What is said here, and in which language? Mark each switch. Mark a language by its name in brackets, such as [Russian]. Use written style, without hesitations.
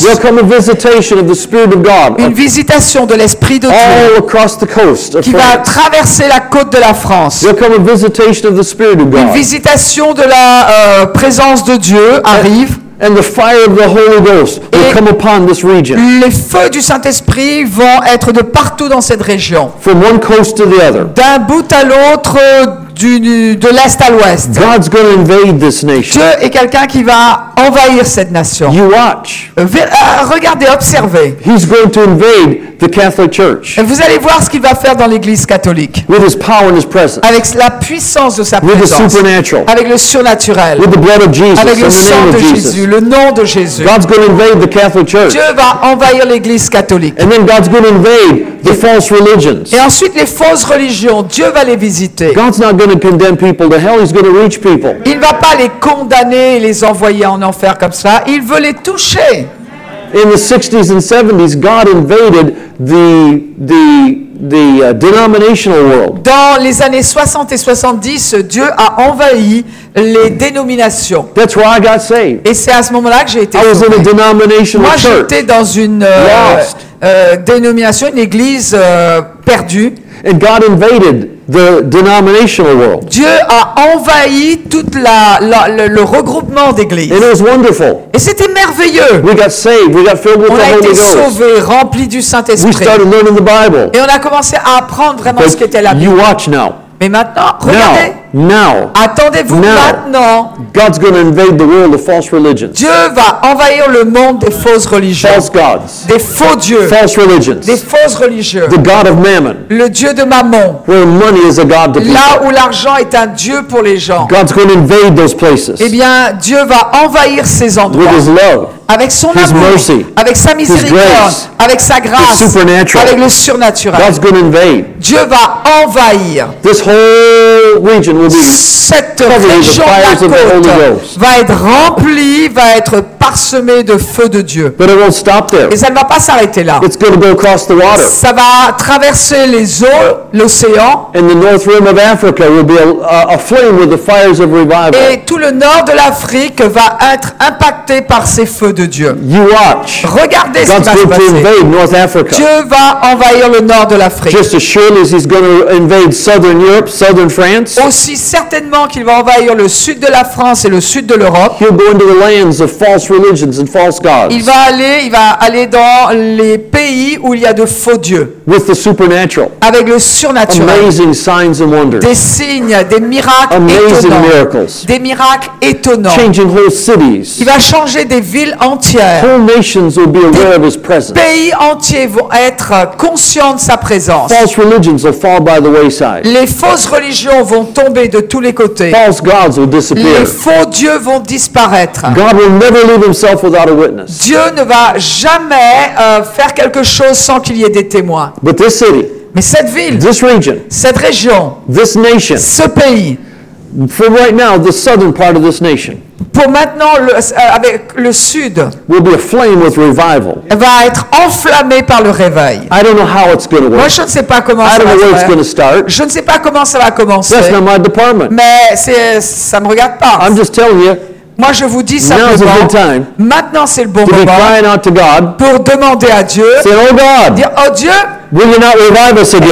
[English] There'll come a visitation of the Spirit of God, [French] une visitation de l'Esprit de Dieu [English] all across the coast [French] qui va traverser la côte de la France. [English] There'll come a visitation of the Spirit of God. [French] Une visitation de la présence de Dieu arrive. [English] And the fire of the Holy Ghost will come upon this region. [French] Les feux du Saint-Esprit vont être de partout dans cette région. [English] From one coast to the other. [French] D'un bout à l'autre, de l'est à l'ouest. [English] God's going to invade this nation. [French] Dieu est quelqu'un qui va envahir cette nation. [English] You watch. [French] Regardez, observez. [English] He's going to invade the Catholic Church. [French] Et vous allez voir ce qu'il va faire dans l'Église catholique. [English] With his power and his presence. [French] Avec la puissance de sa [English] With [French] présence. [English] The supernatural. [French] Avec le surnaturel. [English] With the blood of Jesus. [French] Avec le sang de Jésus, le nom de Jésus. [English] God's going to invade the Catholic Church. [French] Dieu va envahir l'Église catholique. [English] And then God's going to invade the false religions. [French] Et ensuite les fausses religions, Dieu va les visiter. [English] God's not going to condemn people to hell. He's going to reach people. [French] Il va pas les condamner et les envoyer en enfer comme ça. Il veut les toucher. [English] In the 60s and 70s, God invaded the denominational world. [French] Dans les années 60 et 70, Dieu a envahi les dénominations. [English] That's why I got saved. [French] Et c'est à ce moment-là que j'ai été sauvé. [English] I was in a denominational [French] Moi, [English] church. [French] J'étais dans une dénomination, une église perdue. [English] And God invaded the denominational world. [French] Dieu a envahi toute le regroupement d'églises. [English] And it was wonderful. [French] Et c'était merveilleux. [English] We got saved. We got filled with [French] on [English] the Holy Ghost. [French] On a été sauvé, rempli du Saint-Esprit. [English] We started learning the Bible. [French] Et on a commencé à apprendre vraiment [English] But [French] ce qu'était la Bible. [English] You watch now. [French] Mais maintenant, regardez. [English] Now. [French] Attendez-vous [English] now. [French] Maintenant. [English] God's going to invade the world of false religions. [French] Dieu va envahir le monde des fausses religions. [English] False gods. [French] Des faux dieux. [English] False religions. [French] Des fausses religions. [English] The god of mammon. [French] Le dieu de mammon. [English] Where money is a god to people. [French] Là où l'argent est un dieu pour les gens. [English] God's going to invade those places. [French] Eh bien, Dieu va envahir ces endroits. [English] With his love. [French] Avec son [English] his [French] amour. [English] Mercy. [French] Avec sa miséricorde. [English] His grace. [French] Avec sa grâce. [English] The supernatural. [French] Avec le surnaturel. [English] God's going to invade. [French] Dieu va envahir. [English] This whole region will be [French] Cette région de la côte va être remplie, va être parsemée de feux de Dieu. [English] But it won't stop there. [French] Et ça ne va pas s'arrêter là. [English] It's going to go across the water. [French] Ça va traverser les eaux, l'océan. [English] And the north rim of Africa will be aflame with the fires of revival. [French] Et tout le nord de l'Afrique va être impacté par ces feux de Dieu. [English] You watch. [French] Regardez [English] God's [French] ce qui va se passer. [English] God's going to invade North Africa. [French] Dieu va envahir le nord de l'Afrique. [English] Just as surely as he's going to invade Southern Europe, Southern France. [French] Aussi certainement qu'il va envahir le sud de la France et le sud de l'Europe. [English] He'll go into the lands of false religions and false gods. [French] Il va aller dans les pays où il y a de faux dieux. [English] With the supernatural. [French] Avec le surnaturel. [English] Amazing signs and wonders. [French] Des signes, des miracles [English] Amazing [French] étonnants. [English] Miracles. [French] Des miracles étonnants. [English] Changing whole cities. [French] Il va changer des villes entières. [English] Whole nations will be aware [French] des [English] of his presence. [French] Pays entiers vont être conscients de sa présence. [English] False religions will fall by the wayside. [French] Les fausses religions vont tomber de tous les côtés. [English] False gods will disappear. [French] Les faux dieux vont disparaître. [English] God will never leave himself without a witness. [French] Dieu ne va jamais faire quelque chose sans qu'il y ait des témoins. [English] But this city, [French] Mais cette ville, [English] this region, [French] cette région, [English] this nation, [French] ce pays, [English] for right now, the southern part of this nation, [French] pour maintenant, avec le sud, [English] will be aflame with revival. [French] Va être enflammé par le réveil. [English] I don't know how it's going to work. [French] Moi, je ne sais pas comment ça va faire. [English] It's going to start. [French] Je ne sais pas comment ça va commencer. [English] That's not my department. [French] Mais ça ne me regarde pas. [English] I'm just telling you, [French] Moi, je vous dis simplement, maintenant, c'est le bon moment [English] crying out to God, [French] pour demander à Dieu, [English] say, oh God, [French] dire, oh Dieu, [English] Will you not revive us again?